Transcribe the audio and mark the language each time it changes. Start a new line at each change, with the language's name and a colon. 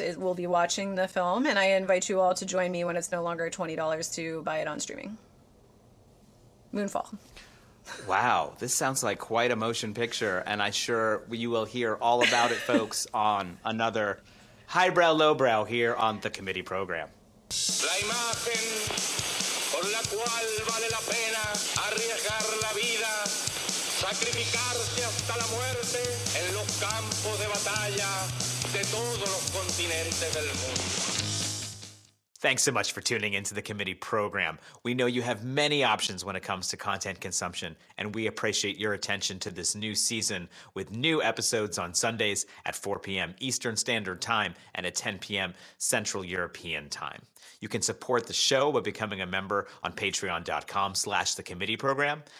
English: It will be watching the film, and I invite you all to join me when it's no longer $20 to buy it on streaming. Moonfall. Wow. This sounds like quite a motion picture, and I'm sure you will hear all about it, folks, on another highbrow lowbrow here on the committee program.
Spanish: La imagen por la cual vale la pena arriesgar la vida. Sacrificarse hasta la muerte en los campos de batalla de todos los continentes del mundo.
English: Thanks so much for tuning into the committee program. We know you have many options when it comes to content consumption, and we appreciate your attention to this new season with new episodes on Sundays at 4 p.m. Eastern Standard Time and at 10 p.m. Central European Time. You can support the show by becoming a member on patreon.com/thecommitteeprogram.